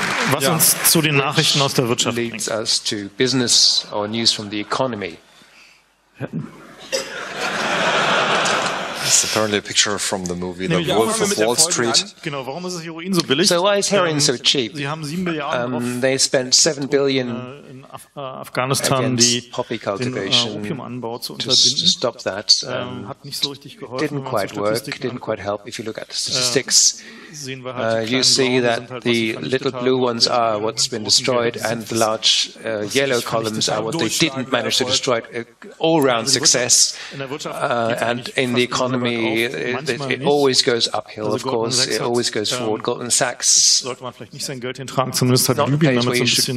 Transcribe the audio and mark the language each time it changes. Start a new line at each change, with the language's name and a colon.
German: Was uns zu den Nachrichten aus der Wirtschaft bringt.
English: Leads us to business or news from the economy. It's apparently a picture from the movie The Wolf of Wall Street.
German: Genau, warum ist Heroin so billig?
English: So why is heroin so cheap?
German: Sie haben 7 Milliarden
English: they spent 7 billion
German: in Afghanistan, die
English: Poppy cultivation
German: den Opiumanbau zu unterbinden.
English: To stop that.
German: Hat nicht so richtig geholfen.
English: Didn't quite work, didn't quite help if you look at the statistics.
German: Sehen wir halt
English: you see that the little blue ones are what's been destroyed and the large yellow columns are what they didn't manage to destroy. All round success and in the economy it always goes uphill, of course, it always goes forward.
German: Goldman Sachs sollte man vielleicht nicht sein Geld hintragen, zumindest hat Libyen damit so ein bisschen